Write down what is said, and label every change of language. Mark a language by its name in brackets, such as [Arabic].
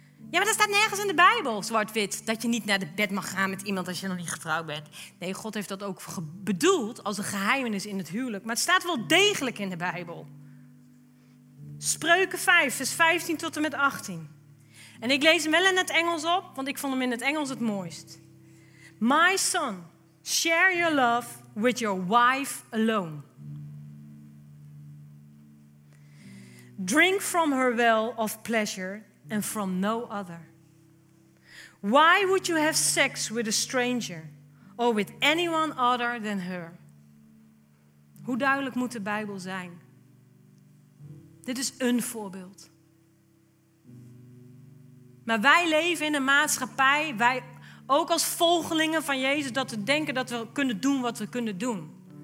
[Dutch] Ja, maar dat staat nergens in de Bijbel, zwart-wit, dat je niet naar de bed mag gaan met iemand als je nog niet getrouwd bent. Nee, God heeft dat ook bedoeld als een geheimenis in het huwelijk. Maar het staat wel degelijk in de Bijbel. Spreuken 5, vers 15 tot en met 18. En ik lees hem wel in het Engels op, want ik vond hem in het Engels het mooist. [English] My son, share your love with your wife alone. Drink from her well of pleasure and from no other. Why would you have sex with a stranger or with anyone other than her? [Dutch] Hoe duidelijk moet de Bijbel zijn? Dit is een voorbeeld. Maar wij leven in een maatschappij, wij ook als volgelingen van Jezus, dat we denken dat we kunnen doen wat we kunnen doen.